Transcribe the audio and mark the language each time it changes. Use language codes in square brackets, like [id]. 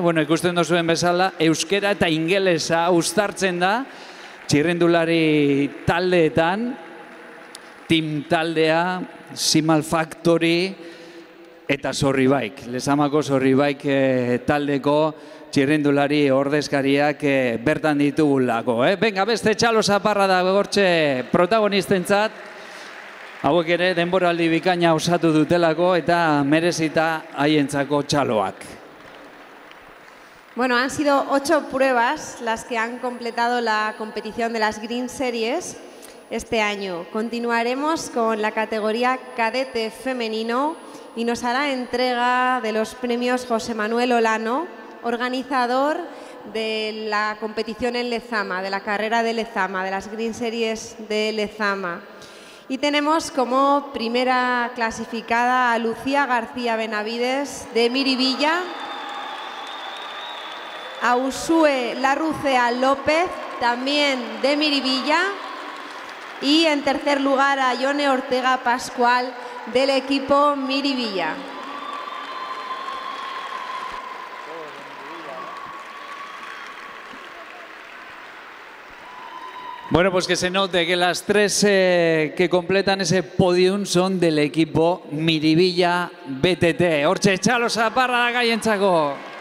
[eu] Bueno, ikusten duzuen bezala, euskera eta ingelesa uztartzen da, txirrindulari taldeetan, team taldea, Simal Factory, eta Sorribaik, Lezamako Sorribaik taldeko txirrindulari ordezkariak bertan ditugulako, eh? Benga, beste txalo zaparra da gortxe protagonistentzat. Hauek ere denboraldi bikaina osatu dutelako eta merezita haientzako txaloak. [es] Bueno, han sido 8 pruebas las que han completado la competición de las Green Series este año. Continuaremos con la categoría cadete femenino y nos hará entrega de los premios José Manuel Olano, organizador de la competición en Lezama, de la carrera de Lezama, de las Green Series de Lezama. Y tenemos como primera clasificada a Lucía García Benavides, de Miribilla, a Usue Larrucea López, también de Miribilla, y en tercer lugar a Yone Ortega Pascual, del equipo Miribilla. Bueno, pues que se note que las tres que completan ese podium son del equipo Miribilla BTT. [eu] Hortxe, txalo zaparra da gaientzako.